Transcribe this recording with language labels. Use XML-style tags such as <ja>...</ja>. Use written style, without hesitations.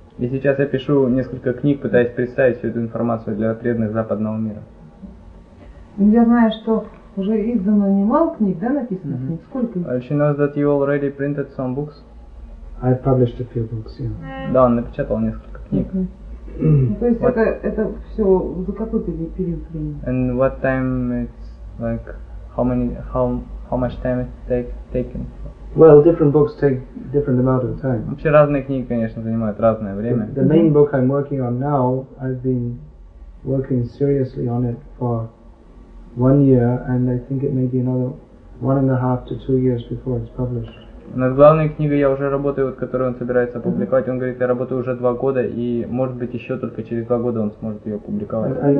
<ru>И сейчас я пишу несколько книг, пытаясь представить всю эту информацию для преданных западного мира. Я знаю, что уже издано немало книг, да, написано книг? Сколько?</ru> <en>She knows that you already printed some books. I published a few books, yeah.</en> <ru>Да, он напечатал несколько книг. То есть это все за какой-то период времени?</ru> <en>And what time it's like, how much time it's taken? Well, different books take different amount of time.</en> <ru>Вообще разные книги, конечно, занимают разное время.</ru> <en>The main book I'm working on now, I've been working seriously on it for 1 year, and I think it may be another 1.5 to 2 years before it's published.</en> <ru>Над главной книгой я уже работаю, вот, которую он собирается опубликовать. Он говорит, я работаю уже 2 года, и может быть еще только через 2 года он сможет ее опубликовать.</ru>